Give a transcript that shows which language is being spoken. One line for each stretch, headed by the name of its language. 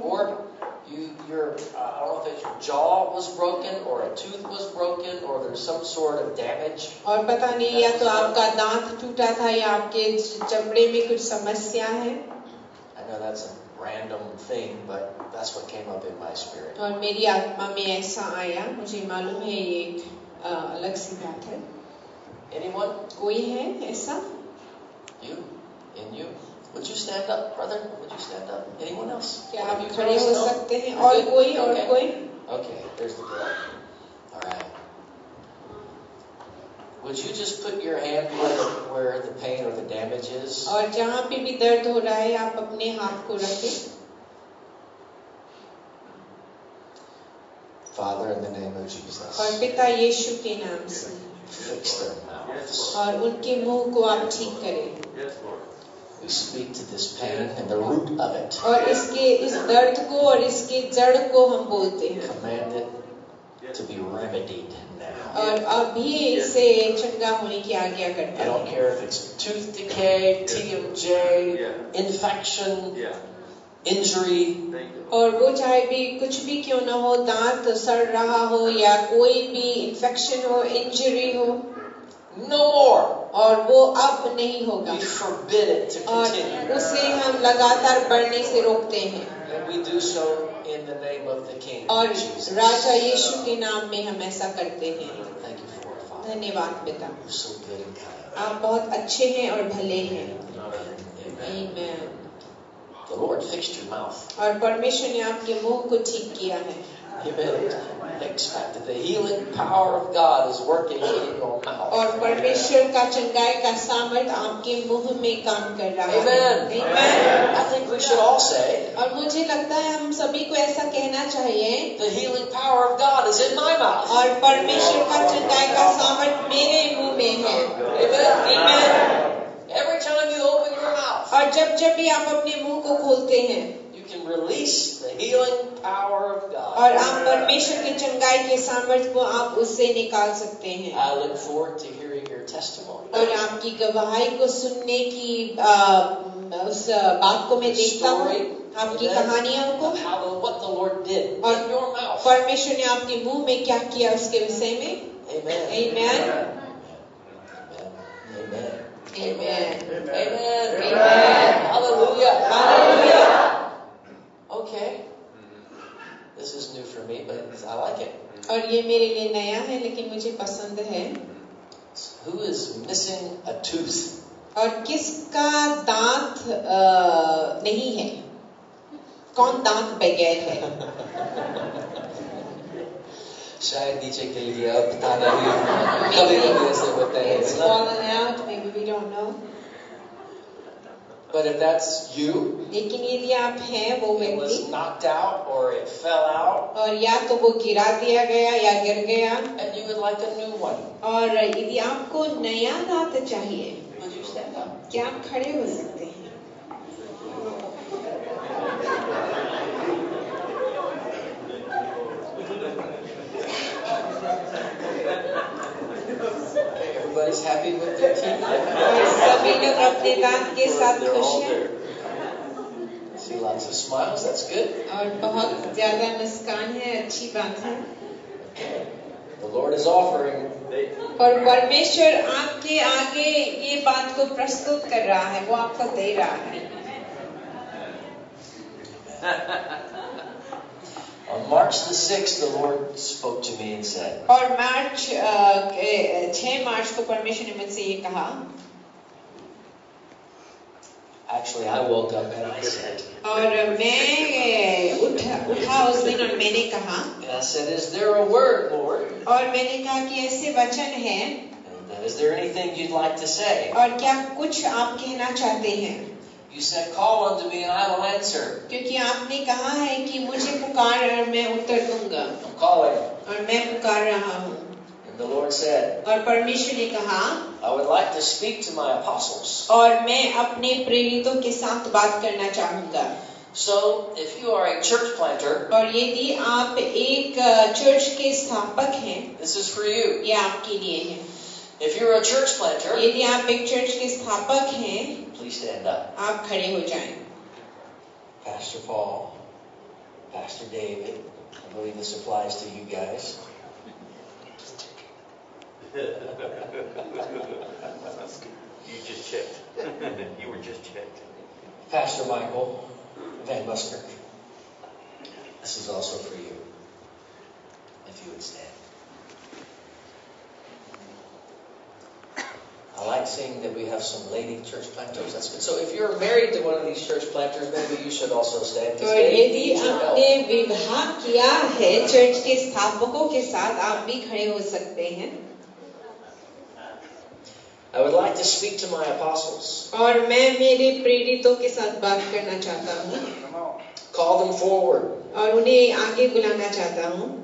English: or your I don't know if your jaw was broken or a tooth was broken or there's some sort of damage.
Hindi: और पता नहीं या तो आपका दांत टूटा था या आपके जबड़े में कुछ समस्या है.
English: I know that's a random thing, but that's what came up in my spirit.
Hindi: और मेरी आत्मा में ऐसा आया, मुझे मालूम है ये एक अलग सी बात है.
English: Anyone?
Hindi: कोई है ऐसा?
English: You? And you? Would you stand up, brother? Would you stand up? Anyone else?
Hindi: क्या आप खड़े हो सकते हैं? और कोई? और कोई?
English: Okay. There's the door. All right. Would you just put your hand where the pain or the damage is?
Hindi: और जहाँ पे भी दर्द हो रहा है आप अपने हाथ को रखें.
English: Father, in the name of Jesus.
Hindi: और पिता यीशु के नाम से.
English: Fix their mouths.
Hindi: और उनके मुंह को आप ठीक करें.
English: We speak to this pain and the root of it.
Hindi: और इसके इस दर्द को और इसके जड़ को हम बोलते हैं.
English: Command it to be remedied now.
Hindi: और अभी इसे चंगा होने की आज्ञा करते हैं.
English: I don't care if it's tooth decay, TMJ, infection, injury.
Hindi: और वो चाहे भी कुछ भी क्यों ना हो, दांत सड़ रहा हो या कोई भी इन्फेक्शन हो, इंजरी हो,
English: no more.
Hindi: और वो अब नहीं होगा.
English: We forbid it to continue.
Hindi: और उसे हम लगातार बढ़ने से रोकते हैं.
English: And we do so in the name of the King.
Hindi: और राजा यीशु के नाम में हम ऐसा करते हैं. धन्यवाद पिता. आप बहुत अच्छे हैं और भले हैं.
English: Amen. The Lord fixed your mouth.
Hindi: और परमेश्वर ने आपके मुंह को ठीक किया है.
English: The healing power of God is working in your mouth.
Hindi: और परमेश्वर का चंगाई का सामर्थ आपके मुंह में काम कर रहा है.
English: Amen. I think we should all say.
Hindi: और मुझे लगता है हम सभी को ऐसा कहना चाहिए.
English: The healing power of God is in my mouth.
Hindi: और परमेश्वर का चंगाई का सामर्थ मेरे मुंह में है.
English: Amen. Every time you open your mouth.
Hindi: और जब जब भी आप अपने मुंह को खोलते हैं.
English: You can release the healing power of God.
Hindi: और आप परमेश्वर की चंगाई के सामर्थ को आप उससे निकाल सकते हैं.
English: I look forward to hearing your testimony.
Hindi: और आपकी गवाही को सुनने की उस बात को मैं देखता हूँ. आपकी कहानियों को.
English: What the Lord did.
Hindi: और परमेश्वर ने आपके मुंह में क्या किया उसके विषय में.
English: Amen. Amen. Amen. Amen. Amen. Amen. Amen. Amen. Hallelujah. Hallelujah. Okay. This is new for me, but I like it.
Hindi: और ये मेरे लिए नया है, लेकिन मुझे पसंद है.
English: Who is missing a tooth?
Hindi: और किसका दांत नहीं है? कौन दांत बगैर है? शायद नीचे के लिए अब बताना भी कभी-कभी ऐसे होते हैं.
English: It's falling out. Maybe we don't know. But if that's you,
Hindi: लेकिन यदि आप हैं वो व्यक्ति,
English: it was knocked out or it fell out.
Hindi: और या तो वो गिरा दिया गया या गिर गया.
English: And you would like a new one.
Hindi: और यदि आपको नया दांत चाहिए,
English: would you stand up?
Hindi: क्या आप खड़े हो सकते हैं? सभी लोग अपने दांत के साथ खुश हैं. और बहुत ज्यादा मुस्कान है, अच्छी बात है.
English: The Lord is offering.
Hindi: और परमेश्वर आपके आगे ये बात को प्रस्तुत कर रहा है, वो आपको दे रहा है.
English: On March the 6th, the Lord spoke to me and said,
Hindi: और मार्च 6 मार्च को परमेश्वर ने मुझसे ये कहा.
English: Actually, I woke up and I said.
Hindi: और मैं उठा उस दिन और मैंने कहा.
English: I said, is there a word, Lord?
Hindi: और मैंने कहा कि ऐसे वचन हैं.
English: Is there anything you'd like to say?
Hindi: और क्या कुछ आप कहना चाहते हैं?
English: You said, call unto me and I will answer.
Hindi: क्योंकि आपने कहा है कि मुझे पुकार और मैं उत्तर दूंगा.
English: I'm calling.
Hindi: और मैं पुकार रहा हूँ.
English: And the Lord said,
Hindi: और परमेश्वर ने कहा,
English: I would like to speak to my apostles.
Hindi: और मैं अपने प्रेरितों के साथ बात करना चाहूंगा.
English: So, if you are a church planter,
Hindi: और यदि आप एक चर्च के स्थापक हैं,
English: this is for you.
Hindi: ये आपके लिए है.
English: If you're a church planter,
Hindi: यदि आप एक चर्च के स्थापक हैं,
English: please stand up.
Hindi: आप खड़े हो जाएं.
English: Pastor Paul, Pastor David, I believe this applies to you guys. You just checked. You were just checked. Pastor Michael Van Busker, this is also for you. If you would stand. I like seeing that we have some lady church planters. That's good. So if you're married to one of these church planters, maybe you should also stand.
Hindi: और यदि आपने विवाह किया है church के स्थापकों के साथ, आप भी खड़े हो सकते हैं.
English: I would like to speak to my apostles.
Hindi: और मैं मेरे प्रेरितों के साथ बात करना चाहता हूँ.
English: Call them forward.
Hindi: और उन्हें आगे बुलाना चाहता हूँ.